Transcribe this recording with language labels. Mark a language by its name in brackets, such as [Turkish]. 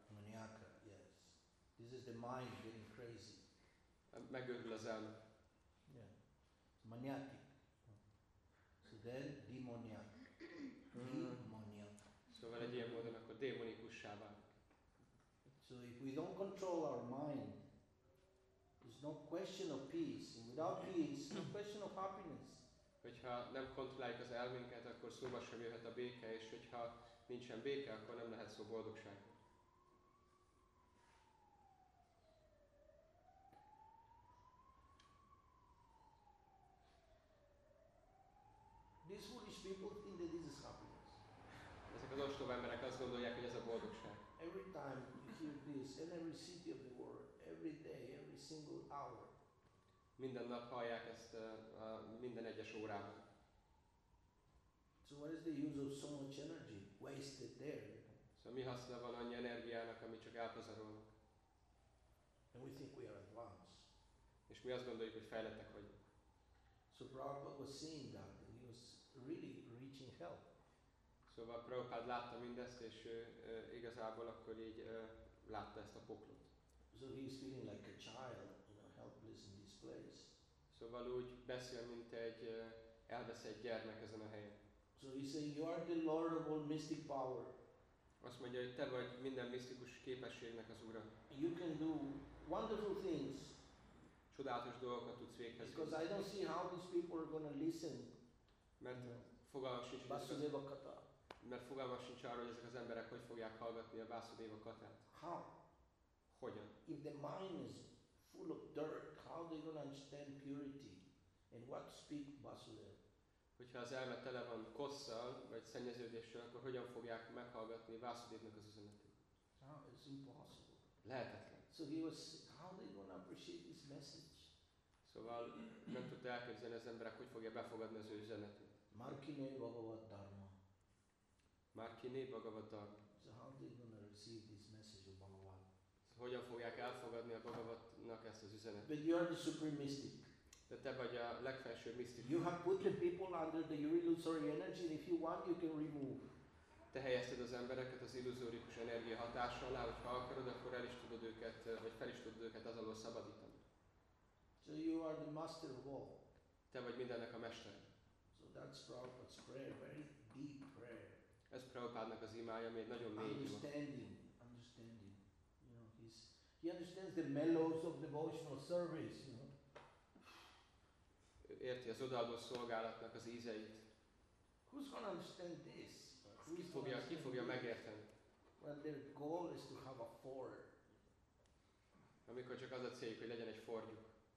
[English] Maniáka, yes. This is the mind getting crazy. [Hungarian] Megőrül az elme. [English] Yeah. Maniatic. So then demoniac. Demoniac. [Hungarian] Szóval egy ilyen módon akkor démonikussá válnak. [English] So if we don't control our mind, there's no question of peace. And without peace, no question of happiness. [Hungarian] Hogyha nem kontrolláljuk az elménket, akkor szóba sem jöhet a béke, és hogyha nincsen béke, akkor nem lehet szó boldogság. [English] These foolish people think that this is happiness. [Hungarian] Ezek az ostoba emberek azt gondolják, hogy ez a boldogság. [English] Every time you hear this, in every city of the world, every day, every single hour. [Hungarian] Minden nap hallják ezt minden egyes órában. [English] So what is the use of so much energy wasted there? [Hungarian] Szóval mi haszna van annyi energiának, amit csak elpazarolnak? [English] And we think we are advanced. [Hungarian] És mi azt gondoljuk, hogy fejlettek vagyunk. [English] So Prabhupada was seeing that and he was really reaching hell. [Hungarian] Szóval Prabhupád látta mindezt, és igazából akkor így látta ezt a poklot. [English] So he is feeling like a child, you know, helpless in this place. [Hungarian] Szóval úgy beszél, mint egy elveszett gyermek ezen a helyen. [English] So he saying, you are the Lord of all mystic power. [Hungarian] Azt mondja, hogy te vagy minden misztikus képességnek az ura. [English] You can do wonderful things. [Hungarian] Csodálatos dolgokat tudsz véghez. [English] Because I don't see how these people are gonna listen. [Hungarian] Mert fogalmas sincs arra, hogy ezek az emberek hogy fogják hallgatni a Vasudeva katát. [English] How? [Hungarian] Hogyan? [English] If the mind is full of dirt, how they gonna understand purity? And what speak Vasudeva? [Hungarian] Hogyha az elme tele van kosszal, vagy szennyeződéssel, akkor hogyan fogják meghallgatni Vasudevnak az üzenetét? [English] How? It's impossible. [Hungarian] Lehetetlen. [English] So he was, how they gonna appreciate this message? [Hungarian] Szóval nem tudta elképzelni az emberek, hogy fogja befogadni az ő üzenetét. [Bangla] Markinei Bhagavad Dharma. Markinei Bhagavad Dharma. [English] So how they gonna receive this message of Bhagavad? [Hungarian] Hogyan fogják elfogadni a Bhagavatnak ezt az üzenetet? [English] But you are the supreme mystic. [Hungarian] De te vagy a legfelsőbb misztikus. [English] You have put the people under the irillusory energy, and if you want, you can remove. [Hungarian] te helyezted az embereket az illuzórikus energia hatása alá, hogy ha akarod, akkor el is tudod őket, vagy fel is tudod őket az alól szabadítani. [English] So you are the master of all. [Hungarian] Te vagy mindennek a mestere. [English] So that's Prabhupada's prayer, very deep prayer. [Hungarian] Ez Prabhupádnak az imája, ami egy nagyon mély ima. [English] Understanding. You know, he understands the mellows of devotional service, you know. [Hungarian] Érti az odaadó szolgálatnak az ízeit. [English] Who's gonna understand this? [Hungarian] Ki fogja megérteni? [English] Well, their goal is to have a fork. [Hungarian] Amikor csak az a céljuk, hogy legyen egy forjuk.